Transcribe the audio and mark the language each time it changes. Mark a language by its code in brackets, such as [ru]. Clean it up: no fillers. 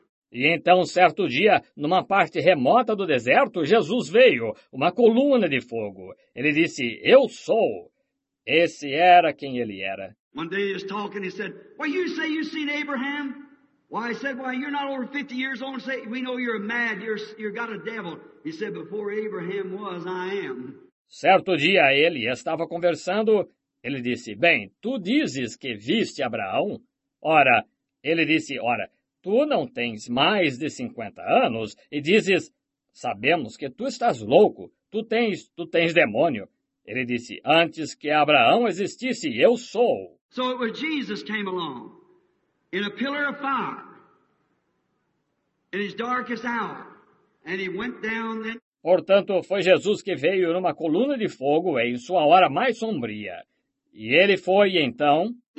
[pt] E então, certo dia, numa parte remota do deserto, Jesus veio, uma coluna de fogo. Ele disse, eu sou. Esse era quem ele era. [en] One day he was talking, he said, well, you say you've seen Abraham? Why, I said, why, you're not over 50 years old. Say, we know you're mad, you've got a devil. He said, before Abraham was, I am. [pt] Certo dia ele estava conversando, ele disse, bem, tu dizes que viste Abraão? Ora, ele disse, ora, tu não tens mais de 50 anos e dizes, sabemos que tu estás louco, tu tens demônio. Ele disse, antes que Abraão existisse, eu sou. [en] So it was Jesus came along in a pillar of fire in his darkest hour, and he went down then. [pt] Portanto, foi Jesus que veio numa coluna de fogo em sua hora mais sombria. E ele foi, então...